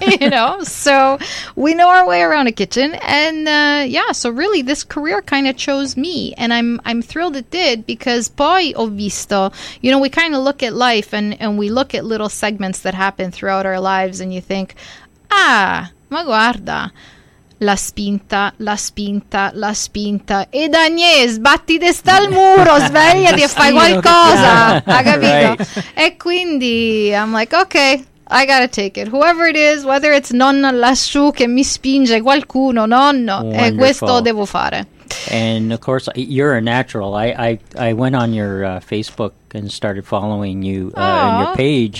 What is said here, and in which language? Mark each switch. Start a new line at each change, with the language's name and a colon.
English: Yeah. You know, so we know our way around a kitchen, and yeah, so really this career kind of chose me, and I'm thrilled it did, because
Italian: poi ho visto,
English: you know, we kind of look at life and we look at little segments that happen throughout our lives, and you think,
Italian: ah, ma guarda. La spinta, la spinta, la spinta. E Agnese, batti testa al muro, svegliati e fai qualcosa. Hai capito?
English: Right.
Italian: E quindi
English: I'm like, okay, I gotta take it. Whoever it is, whether it's
Italian: nonna lassù che mi spinge, qualcuno, nonno, e questo devo fare.
English: And of course, you're a natural. I went on your Facebook and started following you and your page.